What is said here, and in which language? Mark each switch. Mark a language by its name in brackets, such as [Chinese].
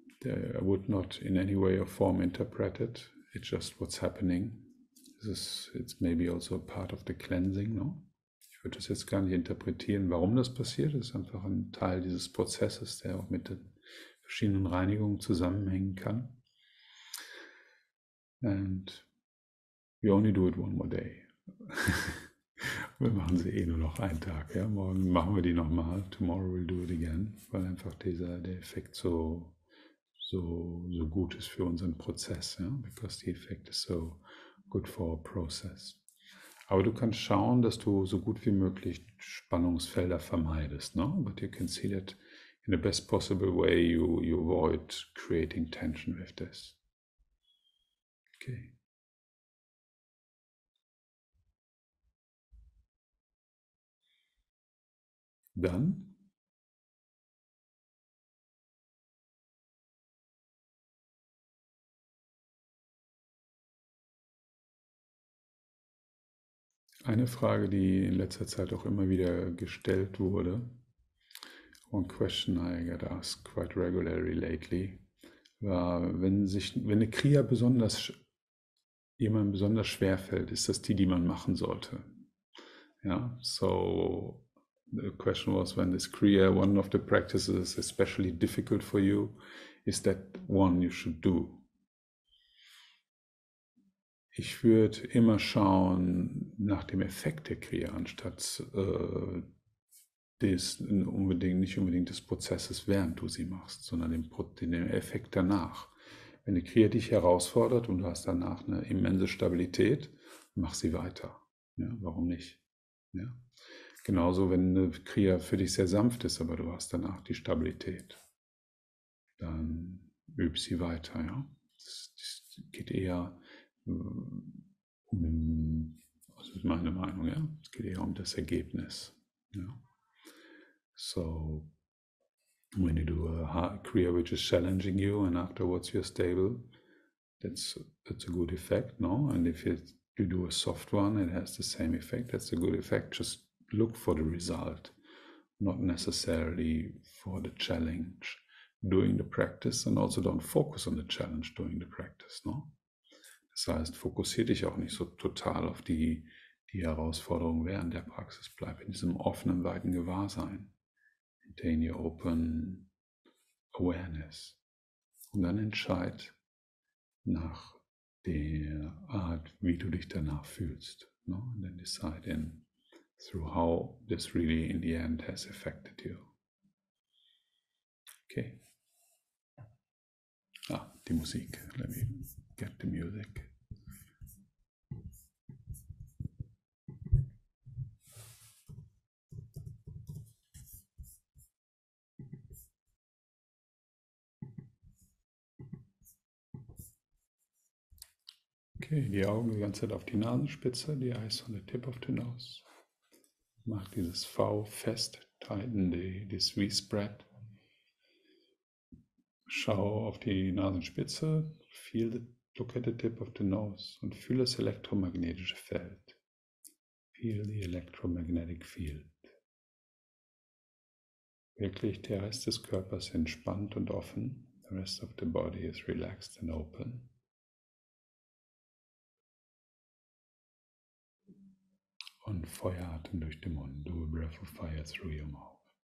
[English] I would not in any way or form interpret it. It's just what's happening. It's maybe also a part of the cleansing, no? [German] Ich würde das jetzt gar nicht interpretieren, warum das passiert. Es ist einfach ein Teil dieses Prozesses, der auch mit den verschiedenen Reinigungen zusammenhängen kann. [English] And we only do it one more day. [German] Wir machen sie eh nur noch einen Tag. Ja? Morgen machen wir die nochmal. [English] Tomorrow we'll do it again. [German] Weil einfach der Effekt so gut ist für unseren Prozess. Ja? [English] Because the effect is so good for our process. [German] Aber du kannst schauen, dass du so gut wie möglich Spannungsfelder vermeidest. [English] No? But you can see that in the best possible way you avoid creating tension with this. Okay. [German] Dann Eine Frage, die in letzter Zeit auch immer wieder gestellt wurde, [English] one question I get asked quite regularly lately, [German] war, wenn eine Kriya besonders jemandem besonders schwer fällt, ist das die, die man machen sollte? [English] Ja, so the question was, when this Kriya, one of the practices is especially difficult for you, is that one you should do? [German] Ich würde immer schauen nach dem Effekt der Kriya, anstatt nicht unbedingt des Prozesses, während du sie machst, sondern den Effekt danach. Wenn die Kriya dich herausfordert und du hast danach eine immense Stabilität, mach sie weiter. Ja, warum nicht? Ja. Genauso, wenn eine Kriya für dich sehr sanft ist, aber du hast danach die Stabilität, dann üb sie weiter. Ja. Das geht eher um, das ist meine Meinung, ja. Es geht eher um das Ergebnis. Ja. [English] So, when you do a Kriya which is challenging you and afterwards you're stable, that's a good effect, no? And if you do a soft one, it has the same effect, that's a good effect. Just look for the result, not necessarily for the challenge during the practice, and also don't focus on the challenge during the practice, no? [German] Das heißt, fokussiere dich auch nicht so total auf die Herausforderung während der Praxis. Bleib in diesem offenen, weiten Gewahrsein. [English] Maintain your open awareness. [German] Und dann entscheid nach der Art, wie du dich danach fühlst. [English] No? And then decide in through how this really in the end has affected you. Okay. [German] Ah, die Musik. [English] Let me get the music. [German] Okay, die Augen die ganze Zeit auf die Nasenspitze, die [English] Eyes on the tip of the nose. [German] Mach dieses V fest, tighten das V-Spread. Schau auf die Nasenspitze, [English] look at the tip of the nose [German] und fühl das elektromagnetische Feld. [English] Feel the electromagnetic field. [German] Wirklich, der Rest des Körpers entspannt und offen. [English] The rest of the body is relaxed and open. [German] Und Feuer atmen durch den Mund. [English] Do a breath of fire through your mouth.